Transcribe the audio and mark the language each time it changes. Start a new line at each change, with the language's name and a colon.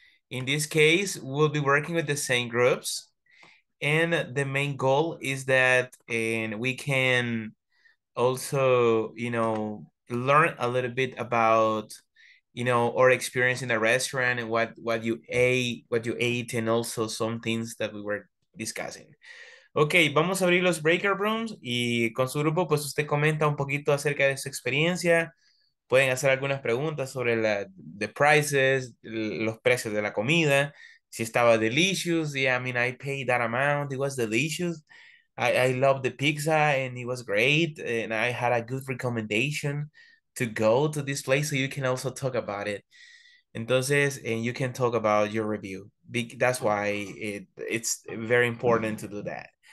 English: In this case, we'll be working with the same groups. And the main goal is that and we can also, you know, learn a little bit about, you know, our experience in the restaurant and what you ate and also some things that we were discussing.
Spanish: Okay, vamos a abrir los breakout rooms y con su grupo, pues usted comenta un poquito acerca de su experiencia. Pueden hacer algunas preguntas sobre los precios de la comida. Si estaba
English: delicious, yeah, I mean, I paid that amount. It was delicious. I loved the pizza and it was great. And I had a good recommendation to go to this place. So you can also talk about it. Entonces, and you can talk about your review. That's why it's very important to do that.